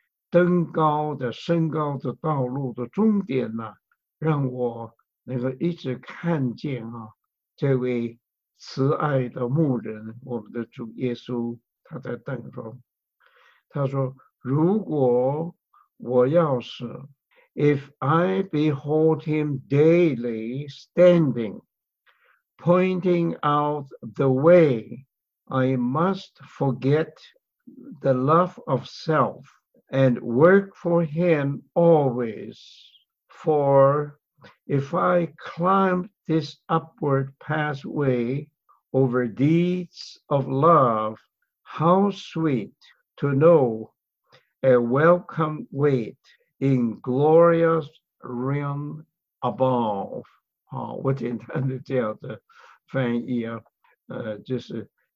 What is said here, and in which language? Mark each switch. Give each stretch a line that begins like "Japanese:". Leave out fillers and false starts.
Chinese: 登高的升高的道路的终点呢、啊、让我能够一直看见啊这位慈爱的牧人，我们的主耶稣，他在等着。他说如果我要是
English: If I behold him daily standing pointing out the way I must forget the love of self and work for him always. For if I climb this upward pathway over deeds of love, how sweet to know a welcome wait in glorious realm above.
Chinese: 我简单的这样的翻译啊，就是。